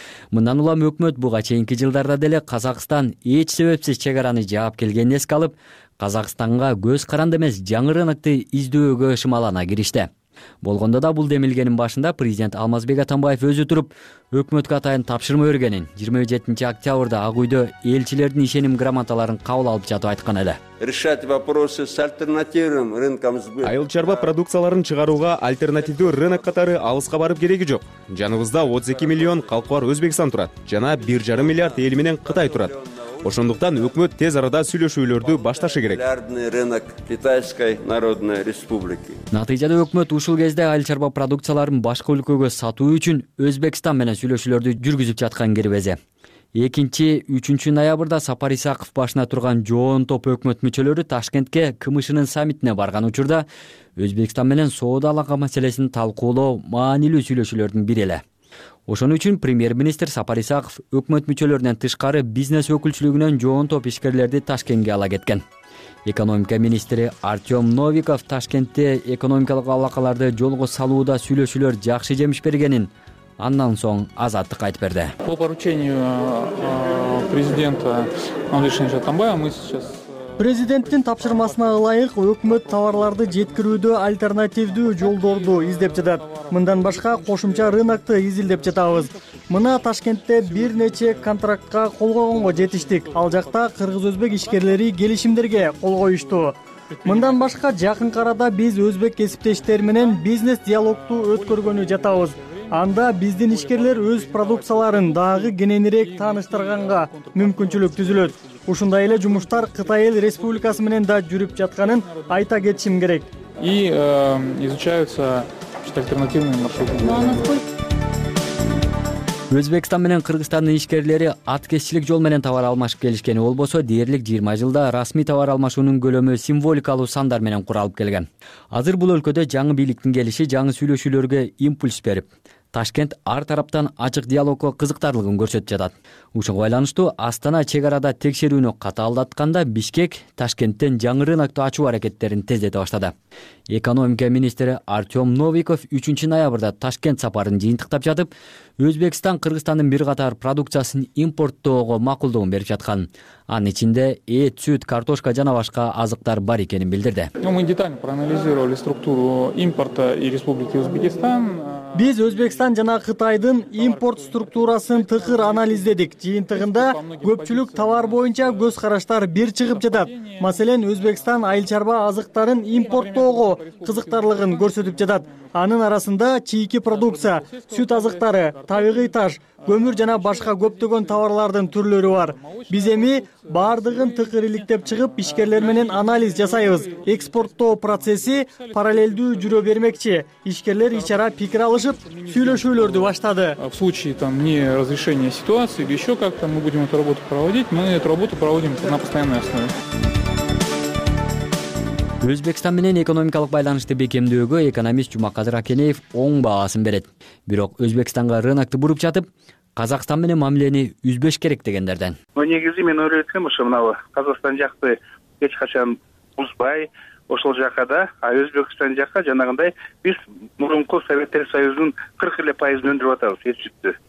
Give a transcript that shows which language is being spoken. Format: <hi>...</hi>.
<ky>Мындан улам өкмөт буга чейинки жылдарда деле Казакстан эч себепсиз чек араны жаап келгенин эске алып, Казакстанга көз каранды эмес жаңы рынокту издөөгө шымалана киришти. Болгондо да бул демилгенин башында президент Алмазбек Атамбаев өзү туруп өкмөткө атайын тапшырма бергенин 27 октябрда Ак Үйдө элчилердин ишеним грамоталарын кабыл алып жатып айткан эле.</ky> <ru>Решать вопросы с альтернативным рынком сбыта.</ru> <ky>Айыл чарба продукцияларын чыгарууга альтернативдүү рынок катары алыска барып кереги жок. Жаныбызда 32 миллион калкы бар Өзбекстан турат жана 1,5 миллиард эл менен Кытай турат. Ошондуктан өкмөт тез арада сүйлөшүүлөрдү башташы керек. Натыйжада өкмөт ушул кезде айыл чарба продукцияларын башка өлкөгө сатуу үчүн Өзбекстан менен сүйлөшүүлөрдү жүргүзүп жаткан кирбезе. 2-3 ноябрда Сапар Исаков башына турган жоон топ өкмөт мүчөлөрү Ташкентке КМШнын саммитине барган учурда Өзбекстан менен соода алака маселесин талкуулоо маанилүү сүйлөшүүлөрдүн бири эле. Ошон үчүн премьер-министр Сапар Исаков өкмөт мүчөлөрүнөн тышкары бизнес өкүлчүлүгүнөн жоон топ ишкерлерди Ташкентке ала кеткен. Экономика министри Артём Новиков Ташкентте экономикалык алакаларды жолго салууда сүйлөшүүлөр жакшы жемиш бергенин, андан соң азаттык айтып берди.</ky> <ru>По поручению президента Алишера Атамбаева мы сейчас</ru> <ky>Президенттин тапшырмасына ылайык өкмөт товарларды жеткирүүдө альтернативдүү жолдорду издеп жатат. Мындан башка кошумча рынокту изилдеп жатабыз. Мына Ташкентте бир нече контрактка кол койгонго жетиштик. Ал жакта кыргыз-өзбек ишкерлери келишимдерге кол коюшту. Мындан башка жакынкы арада биз өзбек кесиптештер менен бизнес диалогту өткөргөнү жатабыз. Анда биздин ишкерлер өз продукцияларын дагы кененирээк тааныштырганга мүмкүнчүлүк түзүлөт. Ушундай эле жумуштар Кытай Эл Республикасы менен да жүрүп жатканын айта кетишим керек.</ky> <ru>И изучаются альтернативные маршруты.</ru> <ky>Өзбекстан менен Кыргызстандын ишкерлери аткечилик жол менен товар алмашып келишкени болбосо, дээрлик 20 жылда расмий товар алмашуунун көлөмү символикалуу сандар менен куралып келген. Азыр бул өлкөдө жаңы бийликтин келиши жаңы сүйлөшүүлөргө импульс берип, Ташкент ар тараптан ачык диалогко кызыктарлыгын көрсөтүп жатат. Ушуга байланыштуу Астана чек арада текшерүүнү катаалдатканда Бишкек Ташкенттен жаңы рынокту ачуу аракеттерин тездете баштады. Экономика министри Артём Новиков 3 ноябрда Ташкент сапарын жыйынтыктап жатып, Өзбекстан Кыргызстандын бир катар продукциясын импорттоого макулдугун берип жаткан. Анын ичинде эт, сүт, картошка жана башка азыктар бар экенин билдирди.</ky> <ru>Мы детально проанализировали структуру импорта и Республики Узбекистан.</ru> <ky>Биз Өзбекстан жана Кытайдын импорт структурасын тыкыр анализдедик. Жыйынтыгында көпчүлүк товар боюнча көз караштар бир чыгып жатат. Маселен, Өзбекстан айыл чарба азыктарын импорттоого кызыктарлыгын көрсөтүп жатат. Анын арасында чийки продукция, сүт азыктары, табигый таш, көмүр жана башка көптөгөн товарлардын түрлөрү бар. Биз эми баардыгын тыкыр иликтеп чыгып, ишкерлер менен анализ жасайбыз. Экспорттоо процесси параллелдүү жүрө бермекчи. Ишкерлер ичара пикир алышып, сүйлөшүүлөрдү баштады.</ky> <ru>В случае там не разрешения ситуации или ещё как-то мы будем эту работу проводить, мы эту работу проводим на постоянной основе.</ru> <ky>Өзбекстан менен экономикалык байланышты бекемдөөгө экономист Жумакадыр Акенеев оң баасын берет. Бирок Өзбекстанга рынокту буруп жатып, Казакстан менен мамилени үзбөш керек дегендерден. Негизи мен ойлойм, ушу мынабы Казакстан жакты эч качан узбай, ошол жака да, а Өзбекстан жака жанагындай биз мурунку Советтер Союзунун 40% өндүрүп атабыз эт сүттү.</ky>